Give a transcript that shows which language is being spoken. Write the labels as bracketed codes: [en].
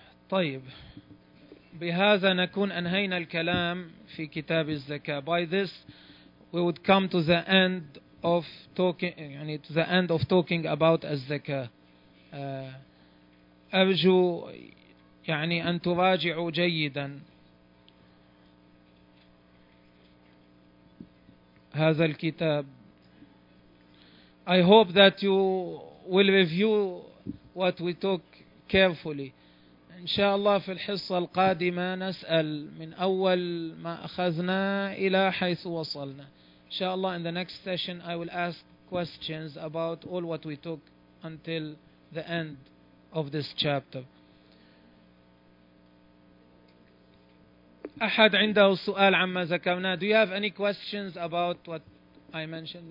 [ar] طيب بهذا نكون أنهينا الكلام في كتاب الزكاة. [en] By this we would come to the end of talking, to the end of talking about الزكاه. [ar] ارجو ان تراجعوا جيدا هذا الكتاب. [en] I hope that you will review what we talk carefully. [ar] ان شاء الله في الحصه القادمه نسال من اول ما اخذنا الى حيث وصلنا. [en] Inshallah, in the next session, I will ask questions about all what we took until the end of this chapter. [ar] أحد عنده سؤال عما ذكرنا. [en] Do you have any questions about what I mentioned?